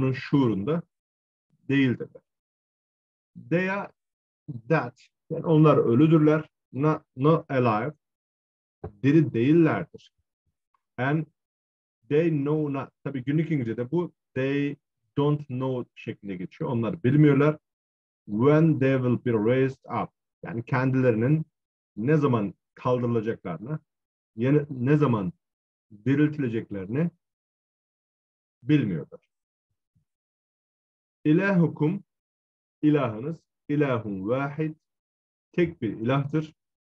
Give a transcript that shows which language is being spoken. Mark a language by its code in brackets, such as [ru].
[tr] Bunun şuurunda değildir. [en] They are that. [tr] Yani onlar ölüdürler. [en] Not alive. [tr] Diri değillerdir. [en] And they know not. [tr] Tabii günlük İngilizce'de bu [en] they don't know [tr] şeklinde geçiyor. Onlar bilmiyorlar. [en] When they will be raised up. [tr] Yani kendilerinin ne zaman kaldırılacaklarını, ne zaman diriltileceklerini bilmiyordur. İlahukum, ilahınız, ilahun vahid, tek bir ilahtır.